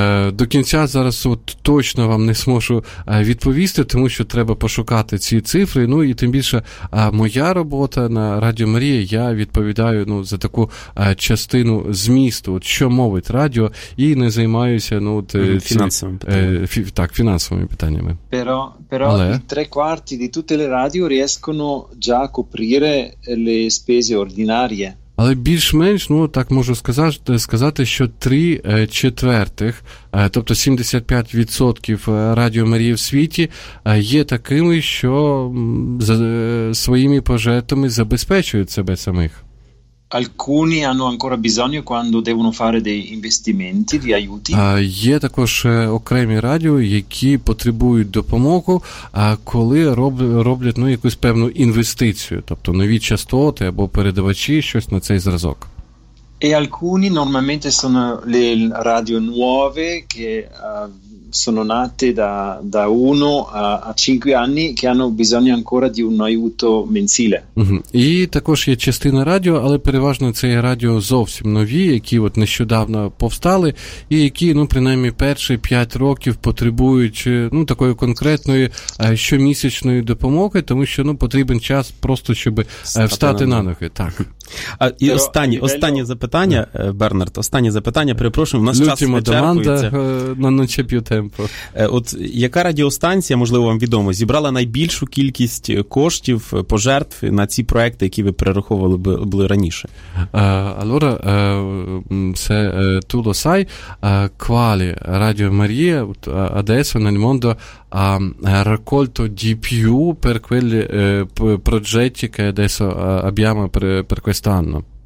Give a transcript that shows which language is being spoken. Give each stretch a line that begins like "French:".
Ukrainian: До кінця зараз точно вам не зможу відповісти, тому що треба пошукати ці цифри. Ну і тим більше моя робота на Радіо Марії, я відповідаю, ну, за таку частину змісту, от що мовить радіо, і не займаюся, ну, фінансовими питаннями.
Italian: Però
Ukrainian: Але?
Italian: I tre quarti di tutte le radio riescono già a coprire le spese ordinarie.
Ukrainian: Але більш-менш, ну, так можу сказати, що три четвертих, тобто 75% Радіо Марії в світі, є такими, що своїми пожертвами забезпечують себе самих.
Italian: Alcuni hanno ancora bisogno quando devono fare dei investimenti, di aiuti.
Ukrainian: Є також окремі радіо, які потребують допомогу, коли роблять, ну, якусь певну інвестицію, тобто нові частоти або передавачі, щось на цей зразок.
Italian: E alcuni normalmente sono le radio nuove che sono nate da 1 a 5 anni che hanno bisogno ancora di un aiuto mensile.
Ukrainian: І також є частина радіо, але переважно це радіо зовсім нові, які от нещодавно повстали, і які, ну, принаймні перші 5 років потребують, ну, такої конкретної щомісячної допомоги, тому що, ну, потрібен час просто, щоб встати на ноги. Так. А і останнє запитання, Бернард, останнє запитання, перепрошую, у нас час вичерпується. От яка радіостанція, можливо, вам відомо, зібрала найбільшу кількість коштів, пожертв на ці проекти, які ви перераховували були раніше?
Italian: Allora, це Tu lo sai, quale Radio Maria, adesso nel mondo, ha raccolto di più per quelli progetti che adesso abbiamo per quest'anno?